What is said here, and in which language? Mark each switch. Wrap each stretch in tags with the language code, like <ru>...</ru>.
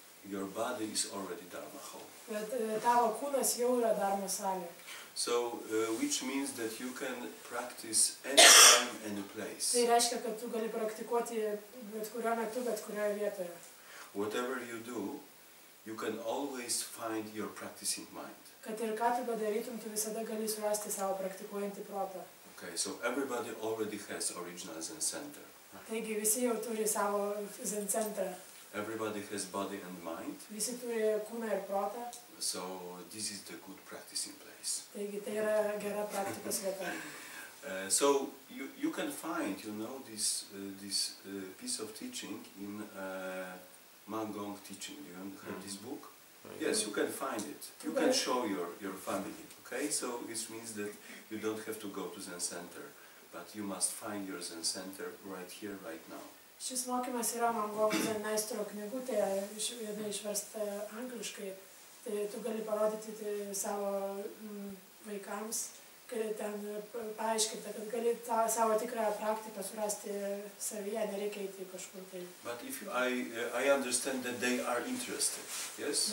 <en>Your body is already Dharma Hall. So, which means that you can practice any time, any place.</en> <lt>Tai reiškia, kad tu gali praktikuoti bet kurio metu, bet kurioje vietoje.</lt> <en>Whatever you do, you can always find your practicing mind.</en> <lt>Kad ir ką tu padarytum, tu visada gali surasti savo praktikuojantį protą.</lt> <en>Okay, so everybody already has original Zen center.</en> <lt>Taigi visi jau turi savo Zen centrą.</lt> <en>Everybody has body and mind.</en> <lt>Visi turi kūną ir protą.</lt> <en>So this is the good practicing place.</en> <lt>Taigi tai yra gera praktikos vieta.</lt> <en>So you can find, you know, this piece of teaching in Man Gong teaching. You have mm-hmm. this book? Mm-hmm. Yes, you can find it. You can show your family. Okay, so this means that you don't have to go to Zen Center, but you must find your Zen Center right here, right now.</en> <lt>Šis mokymas yra Man Gong Zen meistro knygutė, viena išversta angliškai. Tai tu gali parodyti savo vaikams, kad ten paaiškinti, kad gali tą savo tikrą praktiką surasti savyje, nereikia eiti kažkur tai.</lt> <en>But if I understand that they are interested, yes?</en>